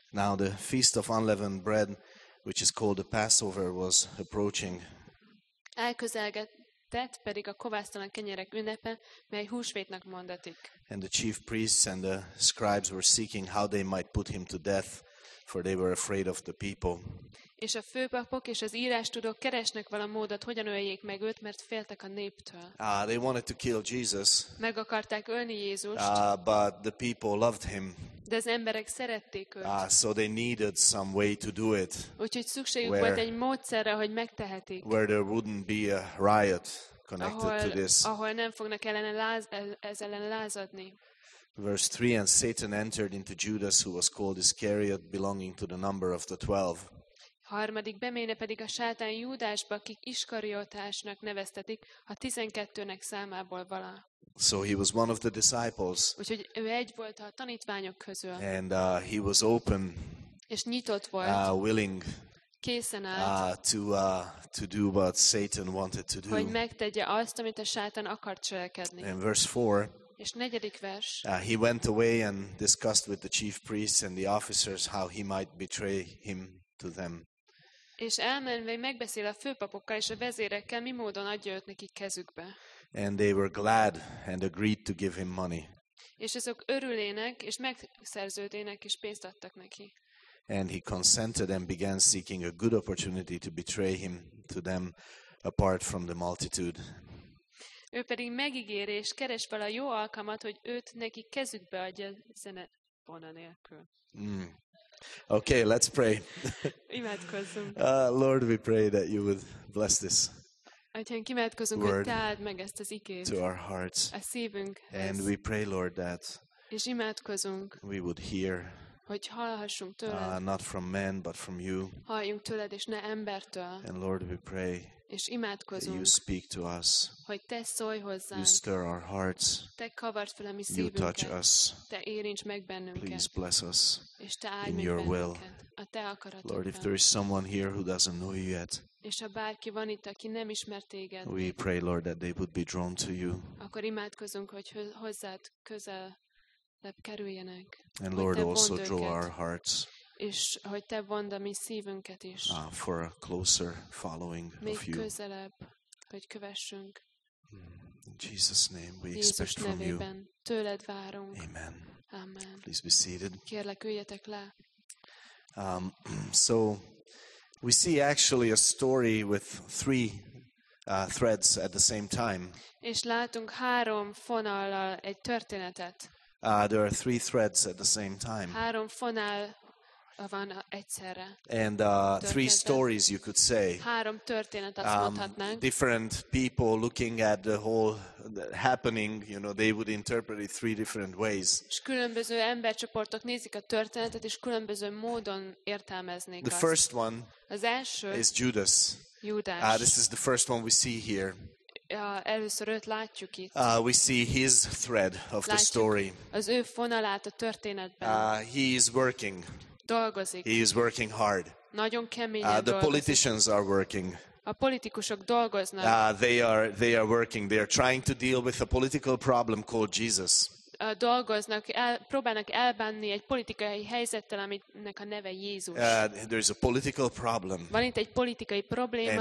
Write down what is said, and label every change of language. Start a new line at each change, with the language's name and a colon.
English: Now the Feast of Unleavened Bread, which is called the Passover, was approaching.
Hungarian: Elközelgetett pedig a kovásztalan kenyerek ünnepe, mely húsvétnak mondatik.
English: And the chief priests and the scribes were seeking how they might put him to death, for they were afraid of the people.
Hungarian: És a főpapok és az írástudók keresnek valami módot, hogyan öljék meg őt, mert féltek a néptől.
English: They wanted to kill Jesus.
Hungarian: Meg akarták ölni Jézust.
English: But the people loved him.
Hungarian: De az emberek szerették őt.
English: So they needed some way to do it.
Hungarian: Úgyhogy szükségük volt egy módszerre, hogy megtehetik.
English: Where there wouldn't be a riot connected to this.
Hungarian: Ahol nem fognak ez ellen lázadni.
English: Verse 3, and Satan entered into Judas, who was called Iscariot, belonging to the number of the 12.
Hungarian: Harmadik beméne pedig a sátán Júdásba, akik Iskariotásnak neveztetik, a 12-nek számából vala.
English: So he was one of the disciples.
Hungarian: Úgyhogy ő egy volt a tanítványok közül.
English: And he was open.
Hungarian: És nyitott volt.
English: Willing.
Hungarian: Készen állt.
English: To do what Satan wanted to do.
Hungarian: Hogy megtegye azt, amit a sátán akart cselekedni.
English: In verse 4.
Hungarian: És negyedik vers.
English: He went away and discussed with the chief priests and the officers how he might betray him to them.
Hungarian: És elmenve megbeszél a főpapokkal és a vezérekkel, mi módon adja őt nekik kezükbe.
English: And they were glad and agreed to give him money.
Hungarian: És azok örülének és megszerződének is pénzt adtak neki.
English: And he consented and began seeking a good opportunity to betray him to them apart from the multitude.
Hungarian: Ő pedig megígér és keres fel a jó alkalmat, hogy őt neki kezükbe adja zenebona nélkül.
English: Okay, let's pray.
Hungarian: Imádkozzunk.
English: Lord, we pray that you would bless this word
Hungarian: hogy te add meg ezt az igét
English: to our hearts.
Hungarian: A szívünkhez.
English: And we pray, Lord, that
Hungarian: és imádkozunk,
English: we would hear
Hungarian: hogy hallhassunk tőled,
English: not from men, but from you.
Hungarian: Halljunk tőled, és ne embertől.
English: And Lord, we pray
Hungarian: és imádkozunk,
English: that you speak to us.
Hungarian: Hogy te szólj hozzánk.
English: You stir our hearts.
Hungarian: Te kavard fel a mi szívünket.
English: You touch us.
Hungarian: Te érints meg bennünket.
English: Please bless us.
Hungarian: És te áld meg
English: your will.
Hungarian: A te akaratodban.
English: Lord, if there is someone here who doesn't know you yet,
Hungarian: és ha bárki van itt, aki nem ismer téged,
English: we pray, Lord, that they would be drawn to you.
Hungarian: Akkor imádkozunk, hogy hozzád közel kerüljenek.
English: And Lord, also draw our hearts.
Hungarian: És hogy te vondd a mi szívünket is.
English: For a closer following
Hungarian: még
English: of you.
Hungarian: Még közelebb, hogy kövessünk.
English: In Jesus' name, we expect
Hungarian: Jézus nevében,
English: from you.
Hungarian: Tőled várunk.
English: Amen.
Hungarian: Amen.
English: Please be seated.
Hungarian: Kérlek, üljetek le.
English: So, we see actually a story with three threads at the same time.
Hungarian: És látunk három fonallal egy történetet.
English: There are three threads at the same time.
Hungarian: Három fonal van egyszerre.
English: And three stories, you could say.
Hungarian: Három történet, azt mondhatnánk.
English: Different people looking at the whole happening, you know, they would interpret it three different ways.
Hungarian: És különböző embercsoportok nézik a történetet, és különböző módon értelmeznék azt.
English: The first one
Hungarian: az első
English: is Judas.
Hungarian: Judás.
English: This is the first one we see here.
Hungarian: Először őt látjuk itt.
English: We see his thread of
Hungarian: látjuk
English: the story.
Hungarian: Az ő fonalát a történetben.
English: He is working.
Hungarian: Dolgozik.
English: He is working hard.
Hungarian: Nagyon keményen dolgozik.
English: The politicians are working.
Hungarian: A politikusok dolgoznak.
English: They are working. They are trying to deal with a political problem called Jesus.
Hungarian: Dolgoznak, próbálnak elbánni egy politikai helyzettel, aminek a neve Jézus.
English: There is a political problem.
Hungarian: Van itt egy politikai probléma.